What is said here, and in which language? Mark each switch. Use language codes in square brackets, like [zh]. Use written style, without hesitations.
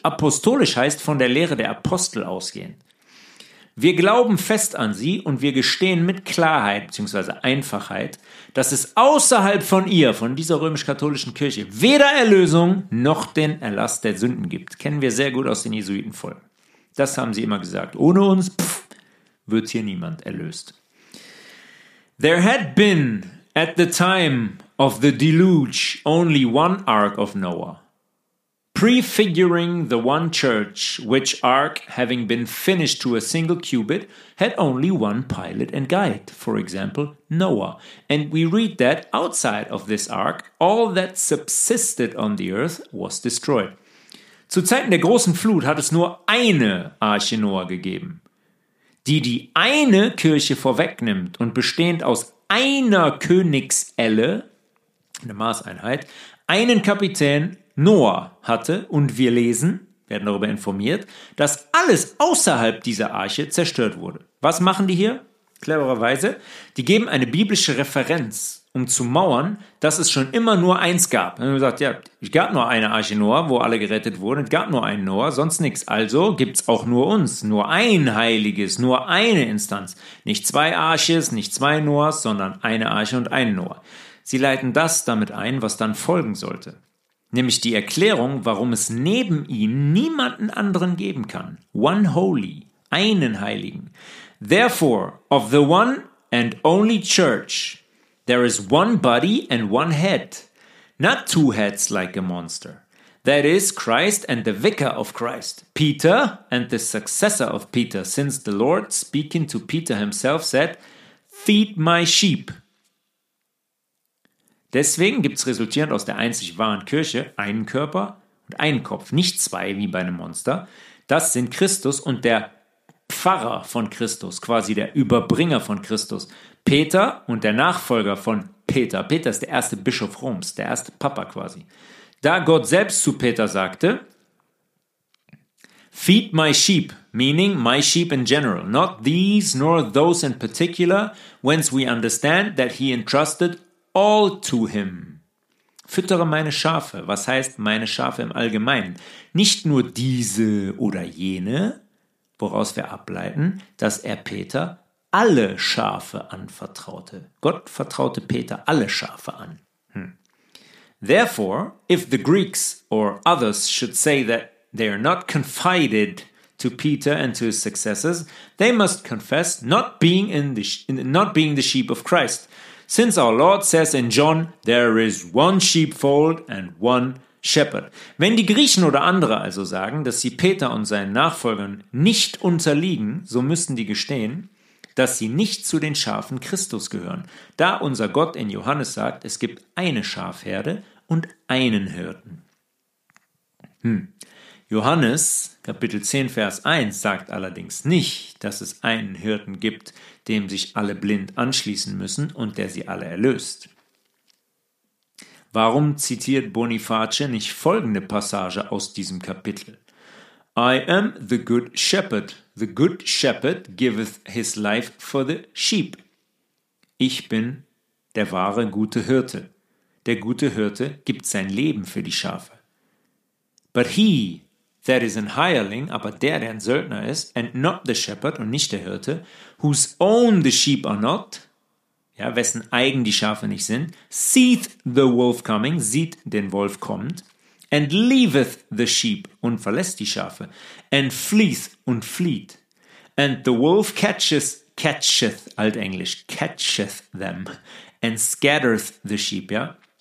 [de] Apostolisch heißt von der Lehre der Apostel ausgehen. Wir glauben fest an sie und wir gestehen mit Klarheit bzw. Einfachheit, dass es außerhalb von ihr, von dieser römisch-katholischen Kirche, weder Erlösung noch den Erlass der Sünden gibt. Kennen wir sehr gut aus den Jesuitenfolgen. Das haben sie immer gesagt. Ohne uns wird hier niemand erlöst. [en] There had been, at the time of the deluge, only one Ark of Noah, prefiguring the one church, which Ark, having been finished to a single cubit, had only one pilot and guide, for example, Noah. And we read that outside of this Ark, all that subsisted on the earth was destroyed. [de] Zu Zeiten der großen Flut hat es nur eine Arche Noah gegeben, die eine Kirche vorwegnimmt und bestehend aus einer Königselle, eine Maßeinheit, einen Kapitän Noah hatte. Und wir lesen, werden darüber informiert, dass alles außerhalb dieser Arche zerstört wurde. Was machen die hier? Clevererweise, die geben eine biblische Referenz um zu mauern, dass es schon immer nur eins gab. Dann haben wir gesagt, ja, es gab nur eine Arche Noah, wo alle gerettet wurden. Es gab nur einen Noah, sonst nichts. Also gibt es auch nur uns, nur ein Heiliges, nur eine Instanz. Nicht zwei Arches, nicht zwei Noahs, sondern eine Arche und einen Noah. Sie leiten das damit ein, was dann folgen sollte. Nämlich die Erklärung, warum es neben ihm niemanden anderen geben kann. [en] One holy, [de] einen Heiligen. [en] Therefore, of the one and only church, there is one body and one head, not two heads like a monster. That is Christ and the vicar of Christ, Peter and the successor of Peter, since the Lord, speaking to Peter himself, said, feed my sheep. [de] Deswegen gibt es resultierend aus der einzig wahren Kirche einen Körper und einen Kopf, nicht zwei wie bei einem Monster. Das sind Christus und der Pfarrer von Christus, quasi der Überbringer von Christus, Peter und der Nachfolger von Peter. Peter ist der erste Bischof Roms, der erste Papa quasi. Da Gott selbst zu Peter sagte, [en] feed my sheep, meaning my sheep in general, not these nor those in particular, whence we understand that he entrusted all to him. [de] Füttere meine Schafe. Was heißt meine Schafe im Allgemeinen? Nicht nur diese oder jene, woraus wir ableiten, dass er Peter alle Schafe anvertraute. Gott vertraute Peter alle Schafe an. [en] Therefore, if the Greeks or others should say that they are not confided to Peter and to his successors, they must confess not being the sheep of Christ. Since our Lord says in John, there is one sheepfold and one shepherd. [de] Wenn die Griechen oder andere also sagen, dass sie Peter und seinen Nachfolgern nicht unterliegen, so müssen die gestehen, dass sie nicht zu den Schafen Christus gehören. Da unser Gott in Johannes sagt, es gibt eine Schafherde und einen Hirten. Johannes, Kapitel 10, Vers 1, sagt allerdings nicht, dass es einen Hirten gibt, dem sich alle blind anschließen müssen und der sie alle erlöst. Warum zitiert Boniface nicht folgende Passage aus diesem Kapitel? [en] I am the good shepherd. The good shepherd giveth his life for the sheep. [de] Ich bin der wahre gute Hirte. Der gute Hirte gibt sein Leben für die Schafe. [en] But he that is an hireling, [de] aber der ein Söldner ist, [en] and not the shepherd [de] und nicht der Hirte, [en] whose own the sheep are not, [de] ja, wessen eigen die Schafe nicht sind, [en] seeth the wolf coming, [de] sieht den Wolf kommt, [en] and leaveth the sheep [de] und verlässt die Schafe, [en] and fleeth [de] und flieht, [en] and the wolf catcheth, altenglisch, catcheth them, and scattereth the sheep, ja.